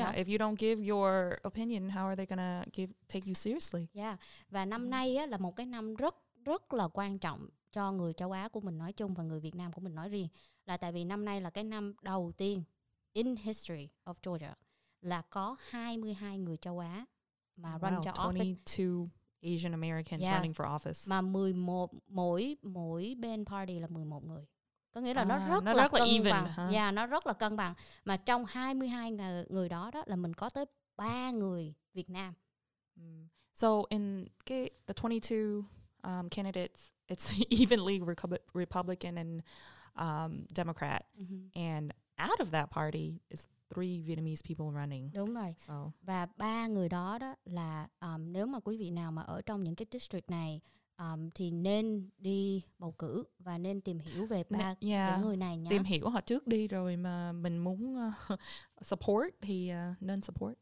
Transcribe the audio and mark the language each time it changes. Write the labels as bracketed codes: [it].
[en] Yeah, if you don't give your opinion, how are they gonna take you seriously? Yeah. [vi] Và năm nay á là một cái năm rất rất là quan trọng cho người châu Á của mình nói chung và người Việt Nam của mình nói riêng, là tại vì năm nay là cái năm đầu tiên [en] in history of Georgia [vi] là có 22 người châu Á mà run cho 22 [en] office. 22 Asian Americans running for office. [vi] Mà 11, mỗi bên party là 11 người. Có nghĩa là nó rất là cân [en] even, [vi] bằng. Huh? Yeah, nó rất là cân bằng. Mà trong 22 người đó là mình có tới 3 người Việt Nam. Mm. [en] So in the 22 candidates, it's evenly Republican and Democrat. Mm-hmm. And out of that party is 3 Vietnamese people running. [vi] Đúng rồi. [en] So. [vi] Và 3 người đó đó là nếu mà quý vị nào mà ở trong những cái district này thì nên đi bầu cử và nên tìm hiểu về ba cái người này nhá. Tìm hiểu họ trước đi rồi mà mình muốn support thì nên support.